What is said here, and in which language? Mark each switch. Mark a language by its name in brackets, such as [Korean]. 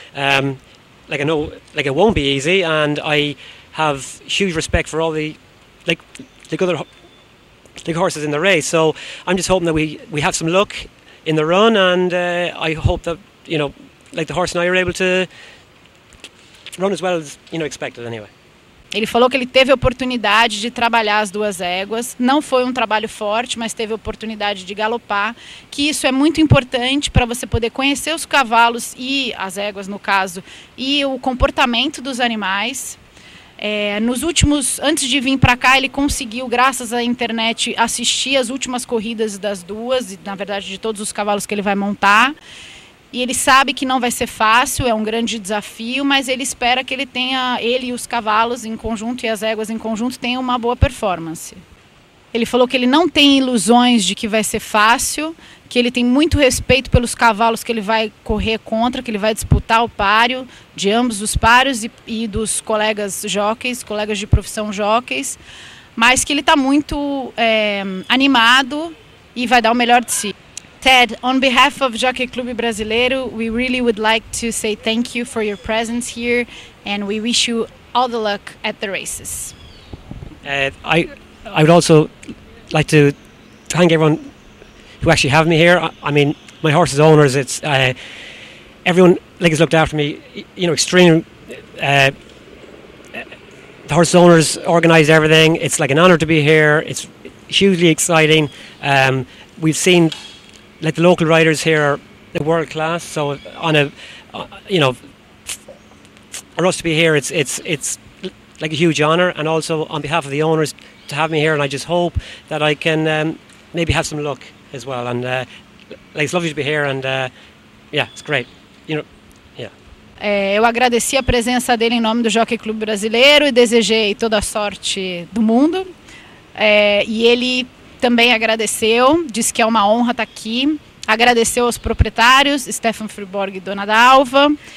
[English] Like, I know, like, it won't be easy, and I have huge respect for all the, like, the horses in the race. So I'm just hoping that we have some luck in the run, and I hope that, you know, like, the horse and I are able to run as well as, you know, expected anyway. [Portuguese] Ele falou que ele teve a oportunidade de trabalhar as duas éguas. Não foi um trabalho forte, mas teve a oportunidade de galopar. Que isso é muito importante para você poder conhecer os cavalos e as éguas, no caso, e o comportamento dos animais. Nos últimos, antes de vir para cá, ele conseguiu, graças à internet, assistir as últimas corridas das duas, na verdade, de todos os cavalos que ele vai montar. E ele sabe que não vai ser fácil, é um grande desafio, mas ele espera que ele tenha, ele e os cavalos em conjunto e as éguas em conjunto, tenham uma boa performance. Ele falou que ele não tem ilusões de que vai ser fácil, que ele tem muito respeito pelos cavalos que ele vai correr contra, que ele vai disputar o páreo de ambos os páreos e dos colegas jockeys, colegas de profissão jockeys, mas que ele está muito animado e vai dar o melhor de si. [English] Ted, on behalf of Jockey Club Brasileiro, we really would like to say thank you for your presence here, and we wish you all the luck at the races. I would also like to thank everyone who actually have me here. I mean, my horse's owners, it's everyone, like, has looked after me, you know, extremely. The horse's owners organized everything. It's like an honor to be here. It's hugely exciting. We've seen, like, the local riders here are, like, world class. So on a, you know, for us to be here, it's like a huge honor. And also on behalf of the owners to have me here, and I just hope that I can maybe have some luck as well. And like, it's lovely to be here, and yeah, it's great. You know, yeah. [Portuguese] Eu agradeci a presença dele em nome do Jockey Club Brasileiro e desejei toda a sorte do mundo. E ele também agradeceu, disse que é uma honra estar aqui, agradeceu aos proprietários, Stefan Friborg e Dona Dalva.